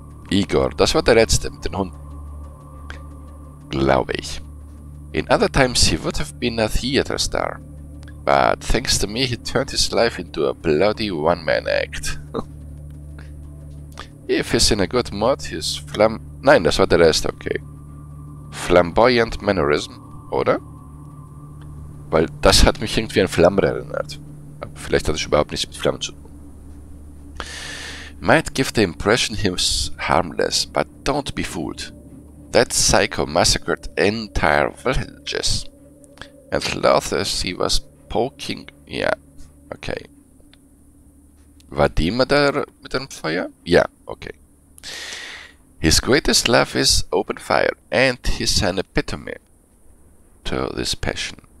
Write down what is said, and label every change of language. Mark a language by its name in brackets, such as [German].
[German] Igor, das war der letzte mit den Hunden. Glaube ich. [English] In other times he would have been a theater star. But thanks to me he turned his life into a bloody one-man act. If he's in a good mood, his [German] Nein, das war der Rest, okay. [English] Flamboyant mannerism, oder? [German] Weil das hat mich irgendwie an Flammen erinnert. Aber vielleicht hat es überhaupt nichts mit Flammen zu tun. [English] Might give the impression he's harmless, but don't be fooled. That psycho massacred entire villages. And loathless, he was poking... Yeah. Okay. [German] War Dima da mit dem Feuer? Ja, okay. [English] His greatest love is open fire, and he's an epitome to this passion.